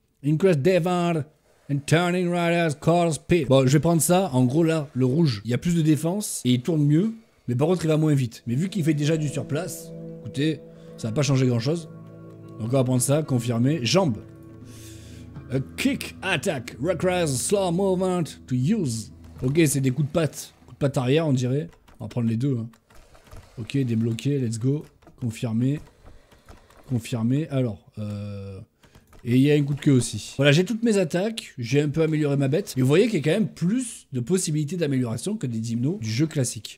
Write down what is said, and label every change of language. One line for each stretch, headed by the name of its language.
English: Increase defense and turning riders, cost speed.
French: Bon, je vais prendre ça. En gros, là, le rouge, il y a plus de défense et il tourne mieux. Mais par contre, il va moins vite. Mais vu qu'il fait déjà du surplace, écoutez, ça va pas changer grand chose. Donc, on va prendre ça. Confirmer. Jambes.
English: A kick attack requires slow movement to use.
French: Ok, c'est des coups de patte. Coups de patte arrière, on dirait. On va prendre les deux. Hein. Ok, débloqué. Let's go. Confirmer. Confirmé, alors, et il y a un coup de queue aussi. Voilà, j'ai toutes mes attaques, j'ai un peu amélioré ma bête. Et vous voyez qu'il y a quand même plus de possibilités d'amélioration que des dinos du jeu classique.